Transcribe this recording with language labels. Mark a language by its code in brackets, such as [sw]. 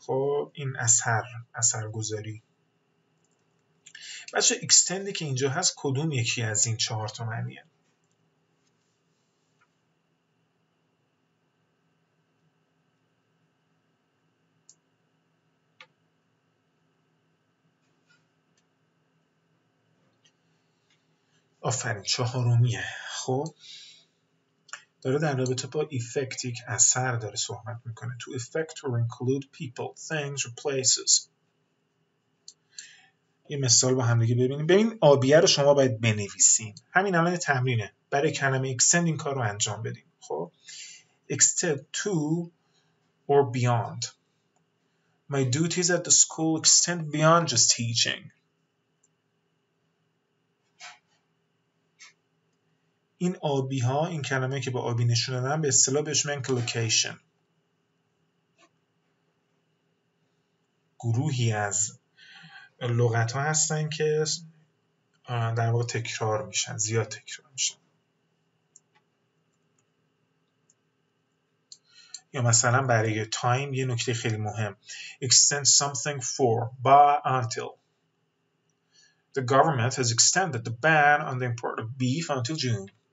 [fa] خب این اثرگذاری. بچه extendی که اینجا هست کدوم یکی از این چهار تا معنیه؟ آفرین، چهارمیه. خب داره در رابطه با effect، یک اثر داره صحبت میکنه. [en] To affect or include people, things or places. [fa] یه مثال با هم دیگه ببینیم. ببین آبیه رو شما باید بنویسین. همین الان تمرینه. برای کلمه extend این کار رو انجام بدیم. [en] خب extend to or beyond. My duties at the school extend beyond just teaching. [fa] این آبی ها، این کلمه که با آبی نشون دادن، به اصطلاح بهش میگن کلوکیشن. گروهی از لغت ها هستن که در واقع تکرار میشن، زیاد تکرار میشن. یا مثلا برای تایم یه نکته خیلی مهم: [en] extend something for, by, until. The government has extended the ban on the import of beef until June.